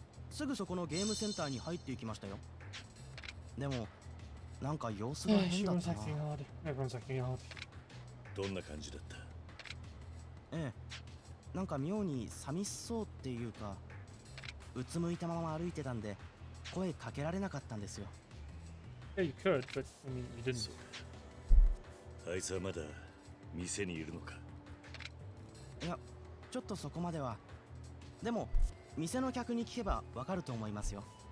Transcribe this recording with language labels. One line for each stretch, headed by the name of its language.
Japanese: すぐそこのゲームセンターに入っていきましたよ。でも、なんか様子が変だったな。
English: Everyone's acting odd.
Japanese: どんな感じだった? ええ。なんか妙に寂しそうっていうか、うつむいたまま歩いてたんで、声かけられなかったんですよ。
English: Yeah, you could, but I mean, you didn't.
Japanese: あいつはまだ店にいるのか。いや、ちょっとそこまでは。でも、店の客に聞けばわかると思いますよ。